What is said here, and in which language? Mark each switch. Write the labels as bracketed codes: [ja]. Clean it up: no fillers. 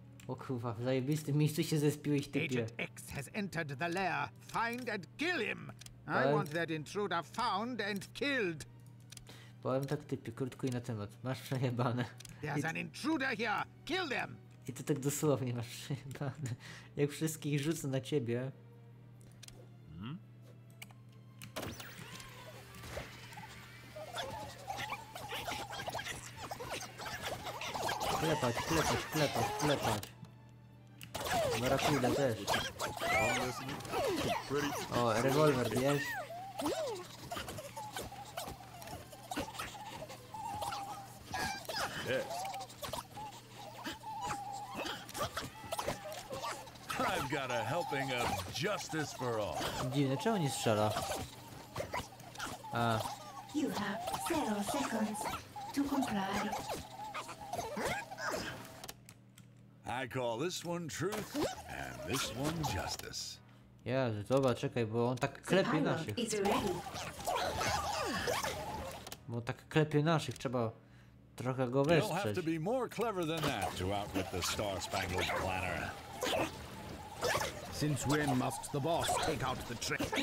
[pl] O kurwa, w zajebistym miejscu się zespiłeś, typie. [en] Agent X has entered the lair. Find and kill him. I want that intruder found and killed. [pl] Powiem tak, typie, krótko i na temat. Masz przejebane. [en] There's an intruder here. Kill them. [pl] I ty tak dosłownie masz przejebane. Jak wszystkich rzucę na ciebie. Klepać, klepać, klepać, klepać. Barakuda też. O, rewolwer, wiesz? [en] I've got a helping of justice for all. [pl] Dziwne, czemu nie strzela? A. [en] You have 0 seconds to comply. I call this one truth and this one justice. [pl] Ja, zobacz, czekaj, bo on tak klepie naszych. Bo on tak klepie naszych, trzeba trochę go wesprzeć. [en] You'll have to be more clever than that to outwit the Star-Spangled Planner. Since when must the boss take out the trick?